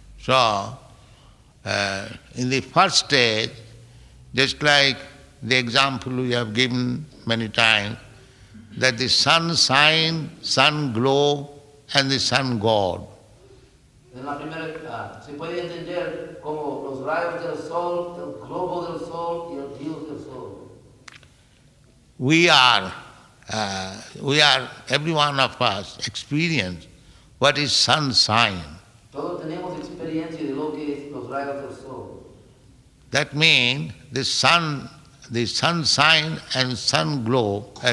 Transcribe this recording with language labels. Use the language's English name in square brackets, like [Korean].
[English] In the first stage, just like the example we have given many times, that the sun shine, sun glow, and the sun god. [Spanish] En la primera, se puede entender como los rayos del sol, el globo del sol y el dios del sol. [English] We are, every one of us, experience what is sun shine. [Spanish] Todos tenemos experiencia de lo que es los rayos del sol. [English] That means the sun shine and sun glow